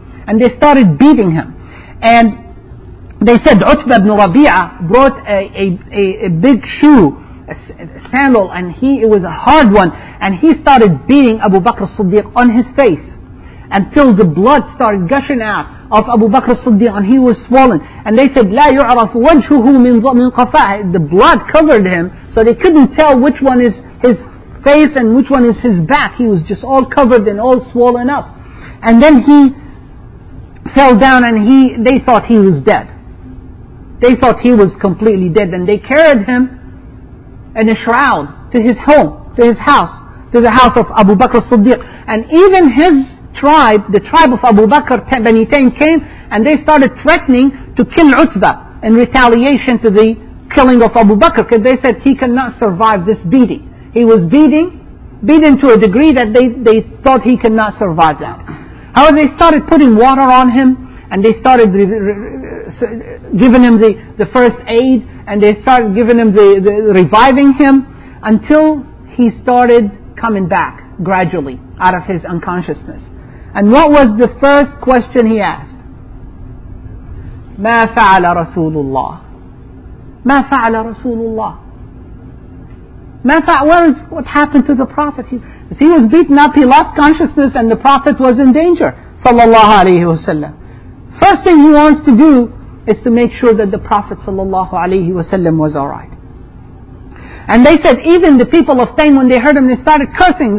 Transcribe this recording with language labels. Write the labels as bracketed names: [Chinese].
[English] And they started beating him. And they said Utbah ibn Rabi'ah brought a big shoe, a sandal, and it was a hard one. And he started beating Abu Bakr as-Siddiq on his face until the blood started gushing out of Abu Bakr as-Siddiq and he was swollen. And they said, [Arabic] لا يعرف وجهه من قفاه. [English] The blood covered him, so they couldn't tell which one is his face and which one is his back. He was just all covered and all swollen up. And then he fell down and they thought he was dead. They thought he was completely dead. And they carried him in a shroud to his home. to his house, to the house of Abu Bakr al-Siddiq. And even his tribe, the tribe of Abu Bakr, Bani Tain, came and they started threatening to kill Utbah in retaliation to the killing of Abu Bakr, because they said he cannot survive this beating. He was beaten to a degree that they thought he cannot survive that. How they started putting water on him, and they started giving him the first aid, and they started giving him the reviving him, until he started coming back gradually out of his unconsciousness. And what was the first question he asked? [Arabic] ما فعل رسول الله؟ ما فعل رسول الله؟ ما فعل؟ [English] Where is what happened to the Prophet? He was beaten up, he lost consciousness, and the Prophet was in danger, sallallahu alaihi wasallam. First thing he wants to do is to make sure that the Prophet sallallahu alaihi wasallam was alright. And they said, even the people of Tain, when they heard him, they started cursing.